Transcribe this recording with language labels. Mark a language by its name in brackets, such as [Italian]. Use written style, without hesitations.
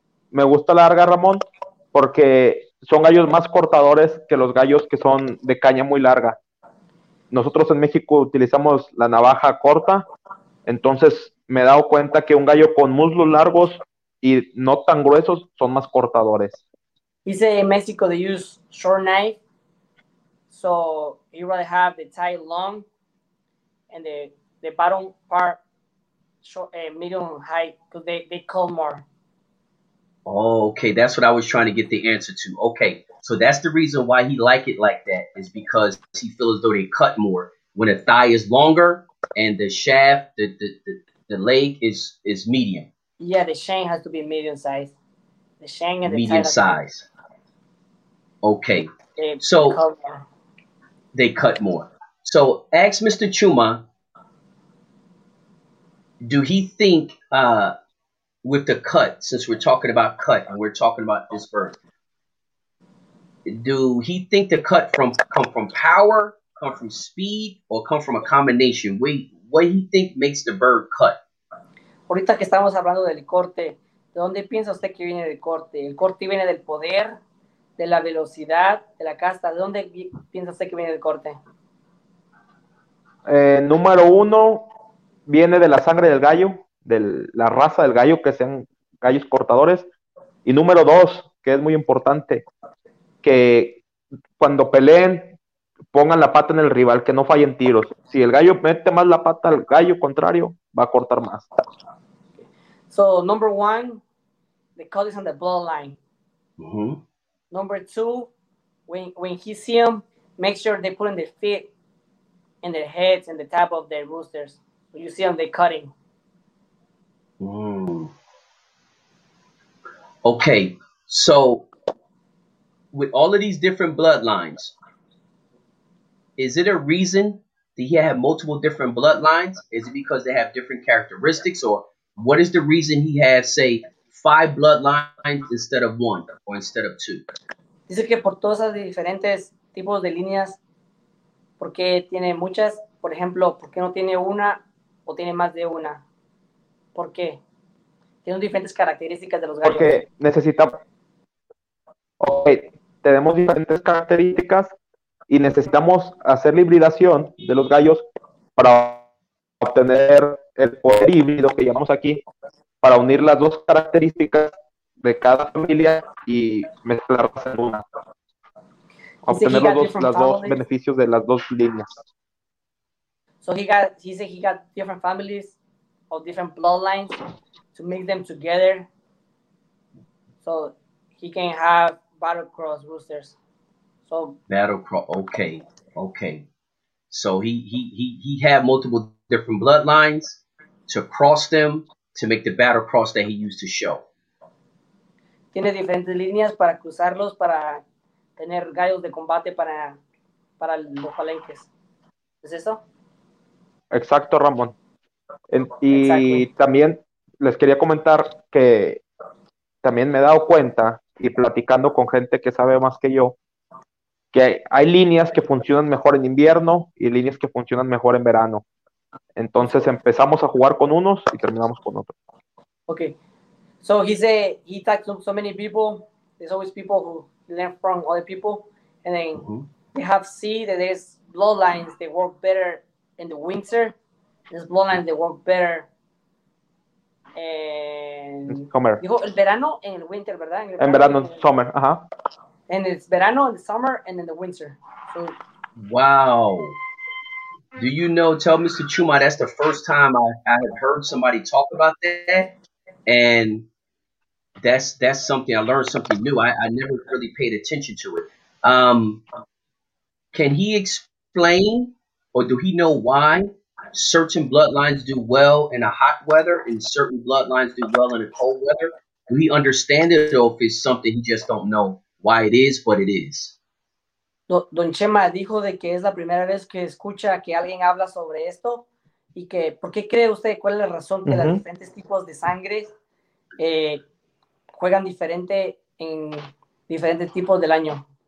[Spanish] Me gusta larga, Ramón, porque son gallos más cortadores que los gallos que son de caña muy larga. Nosotros en México utilizamos la navaja corta, entonces me he dado cuenta que un gallo con muslos largos y no tan gruesos son más cortadores. Dice en México, [English] they use short knife, so you rather have the tie long and the bottom part short, medium height, because they cull more. Oh, okay, that's what I was trying to get the answer to. Okay, so that's the reason why he like it like that, is because he feels as though they cut more. When a thigh is longer and the shaft, the leg is medium. Yeah, the shank has to be medium size. The shank and the medium size. Okay, so they cut more. So ask Mr. Chuma, do he think... with the cut, since we're talking about cut and we're talking about this bird, do he think the cut come from power, come from speed, or come from a combination? What do you think makes the bird cut? [Spanish] Ahorita que estamos hablando del corte, ¿de dónde piensa usted que viene el corte? El corte viene del poder, de la velocidad, de la casta. ¿De dónde piensa usted que viene el corte? Número uno, viene de la sangre del gallo. De la raza del gallo, que sean gallos cortadores. Y número dos, que es muy importante, que cuando peleen, pongan la pata en el rival, que no fallen tiros. Si el gallo mete más la pata al gallo contrario, va a cortar más. [English] So, number one, the cut is on the bloodline. Mm-hmm. Number two, when he see them, make sure they put in the feet, in their heads, in the top of their roosters. When you see them, they cutting. Okay, so with all of these different bloodlines, is it a reason that he had multiple different bloodlines? Is it because they have different characteristics, or what is the reason he has, say, five bloodlines instead of one or instead of two? [Spanish] Dice que por todas las diferentes tipos de líneas, porque tiene muchas, por ejemplo, porque no tiene una o tiene más de una. ¿Por qué? Tienen diferentes características de los gallos. Porque necesitamos... Okay, tenemos diferentes características y necesitamos hacer la hibridación de los gallos para obtener el poder híbrido que llamamos aquí, para unir las dos características de cada familia y mezclarlas en una. Obtener los dos beneficios de las dos líneas. [English] So he got different families of different bloodlines to make them together so he can have battle cross roosters. So battle cross, okay. So he had multiple different bloodlines to cross them to make the battle cross that he used to show. [Spanish] Tiene diferentes líneas para cruzarlos para tener gallos de combate para los palenques. ¿Es eso? Exacto, Ramón. Y también les quería comentar que también me he dado cuenta, y platicando con gente que sabe más que yo, que hay líneas que funcionan mejor en invierno y líneas que funcionan mejor en verano. Entonces empezamos a jugar con unos y terminamos con otros. [English] Okay. So he said he talked to so many people. There's always people who learn from other people. And then they have seen that there's bloodlines that work better in the winter. There's bloodlines that work better [Spanish] en verano, en el winter, ¿verdad? En verano, en summer, ajá. En el verano, en el [English] summer, and in the winter. So, wow. Do you know, tell Mr. Chuma, that's the first time I have heard somebody talk about that. And that's something, I learned something new. I never really paid attention to it. Can he explain, or do he know why certain bloodlines do well in a hot weather and certain bloodlines do well in a cold weather? Do he understand it, or if it's something he just don't know why it is, but it is? [Spanish] Don Chema dijo de que es la primera vez que escucha que alguien habla sobre esto y que, ¿por qué cree usted, cuál es la razón que los diferentes tipos de sangre juegan diferente en diferentes tipos del año?